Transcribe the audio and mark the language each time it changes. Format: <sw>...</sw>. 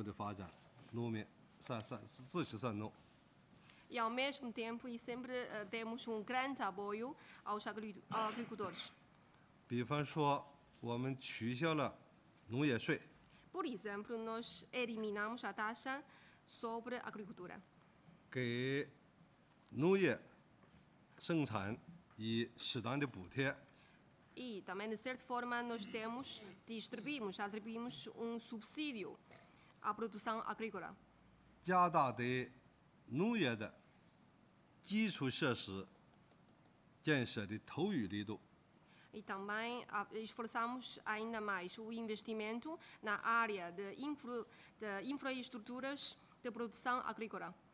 <zh>并且政府积极支持这散农的发展，农民支持散农。</zh> <pt>E ao mesmo tempo e sempre temos um grande apoio aos agricultores.</pt> <zh>比方说，我们取消了 农业税,</zh> <pt>por exemplo, nós eliminamos a taxa sobre a agricultura.</pt> <zh>给农业生产以适当的补贴,</zh> <pt>e também, de certa forma, nós temos, atribuímos um subsídio à produção agrícola.</pt> <zh>加大对农业的基础设施建设的投入力度。</zh> <pt>E também esforçamos ainda mais o investimento na área de infraestruturas de produção agrícola.</pt>